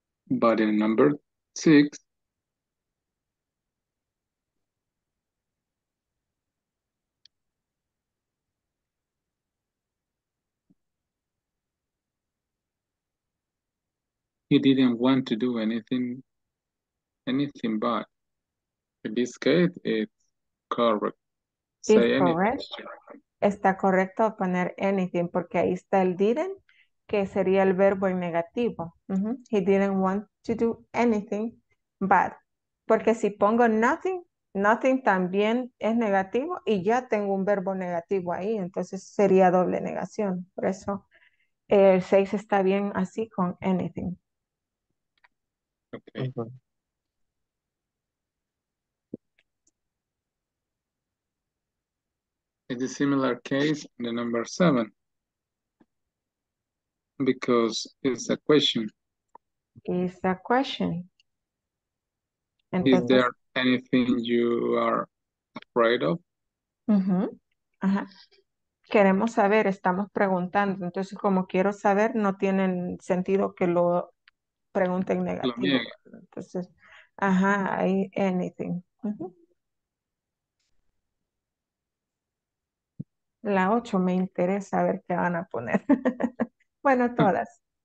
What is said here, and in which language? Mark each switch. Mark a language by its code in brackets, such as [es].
[en] But in number 6 he didn't want to do anything bad. In this case, it's correct. Is say correct. Anything. [es] Está correcto poner anything porque ahí está el didn't, que sería el verbo en negativo. [en] He didn't want to do anything bad. [es] Porque si pongo nothing, nothing también es negativo y ya tengo un verbo negativo ahí, entonces sería doble negación. Por eso el 6 está bien así con anything. [en] It's a similar case in the number 7 because it's a question. It's a question. Entonces, is there anything you are afraid of? [es] Queremos saber, estamos preguntando. Entonces, como quiero saber, no tienen sentido que lo pregunta en negativo. Entonces, hay anything. La 8 me interesa ver qué van a poner. Bueno, todas.